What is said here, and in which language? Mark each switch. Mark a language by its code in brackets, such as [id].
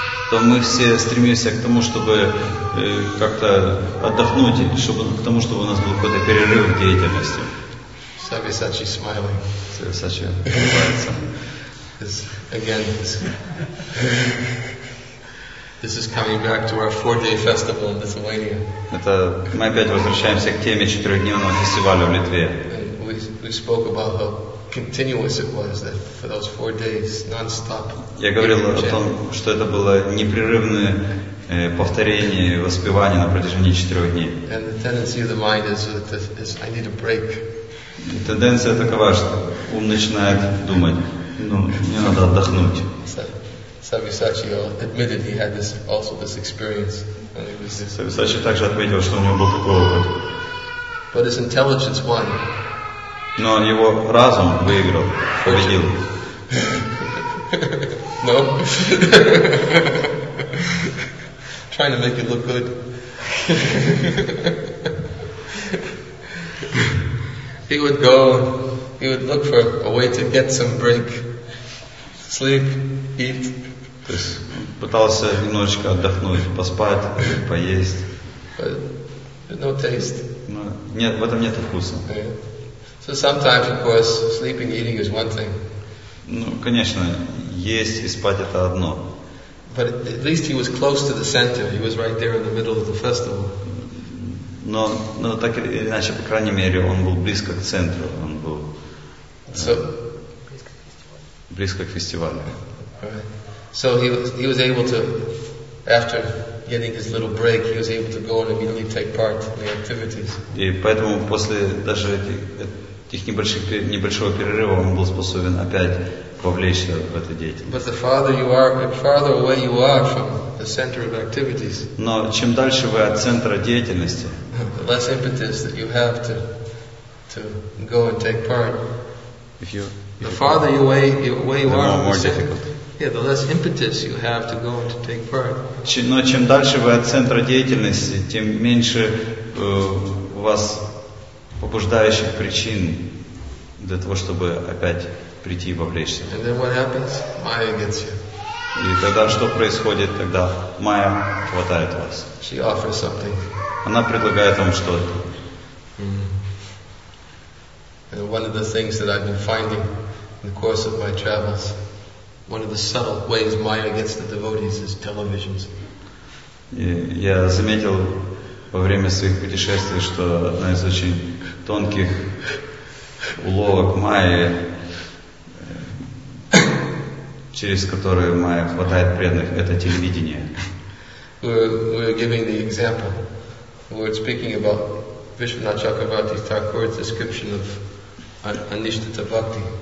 [ru] То мы все стремимся к тому, чтобы как-то отдохнуть, чтобы к тому, чтобы у нас был какой-то перерыв в деятельности. [en] Sabi Sachi smiling. [ru] Sabi Sachi улыбается. [en] Again, this is coming back to our 4-day festival in Lithuania. [ru] Это мы опять возвращаемся к теме четырехдневного фестиваля в Литве. [en] We spoke about how continuous it was that for those 4 days, non-stop. [ru] Я говорил о том, что это было непрерывное повторение и воспевание на протяжении 4 дней. [en] And the tendency of the mind is I need a break. [ru] Тенденция такова, что ум начинает думать. Ну, мне надо отдохнуть. [en] Sabi Sachi admitted he had this also this experience. [ru] Sabi Sachi также отметил, что у него был такой опыт. [en] But his intelligence won. [ru] Но его разум выиграл, победил. [en] No. Trying to make it look good. He would look for a way to get some break. Sleep, eat. [ru] То есть пытался немножечко отдохнуть, поспать, поесть. [en] But no taste. [ru] Но нет, в этом нет вкуса. [en] So sometimes, of course, sleeping, eating is one thing. [ru] Ну, конечно, есть и спать это одно. [en] But at least he was close to the center. He was right there in the middle of the festival. [ru] но так или иначе, по крайней мере, он был близко к центру, он был близко к фестивалю. [en] So he was able to, after getting his little break, he was able to go and immediately take part in the activities. [ru] И поэтому после даже этих небольшого перерыва он был способен опять вовлечься в эту деятельность. [en] But the farther you are, the farther away you are from the center of activities. [ru] Но чем дальше вы от центра деятельности, [en] the less impetus that you have to go and take part. The farther you away, away you are, more difficult. Yeah, the less impetus you have to go and to take part. [ru] Но чем дальше вы от центра деятельности, тем меньше у вас побуждающих причин для того, чтобы опять прийти и вовлечься. [en] And then what happens? Майя gets you. [ru] И тогда что происходит? Тогда Майя хватает вас. [en] She offers something. [ru] Она предлагает вам что-то. [en] And one of the things that I've been finding in the course of my travels, one of the subtle ways Maya gets the devotees is televisions. [ru] Я заметил во время своих путешествий, что одна из очень тонких уловок Майи, через которую Майя хватает преданных, это телевидение. [en] We're giving the example. We're speaking about Vishwanath Chakravarti Thakur's description of Anishtita Bhakti.